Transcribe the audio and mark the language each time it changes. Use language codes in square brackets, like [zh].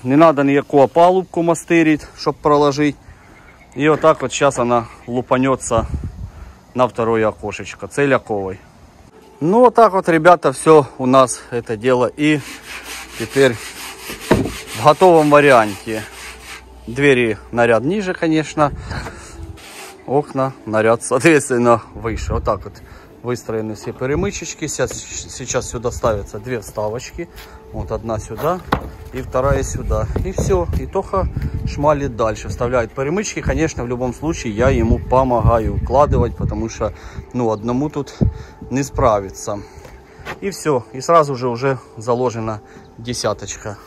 [uk] Не треба ніяку опалубку мастерити, щоб проложити. І отак от зараз вона лупанеться [ru] на второе окошечко [uk] целяковий. Ну отак от, ребята, все у нас це діло. І тепер в готовому варіанті. Двері на ряд ніже, звісно. [ru] Окна на ряд, соответственно, вище. [uk] Отак от вистроєні всі перемички. Зараз сюди ставляться дві вставочки. [ru] Вот одна сюда и вторая сюда. И все. И Тоха шмалит дальше. Вставляет перемычки. Конечно, в любом случае я ему помогаю укладывать, потому что ну, одному тут не справиться. И все. И сразу же уже заложена десяточка.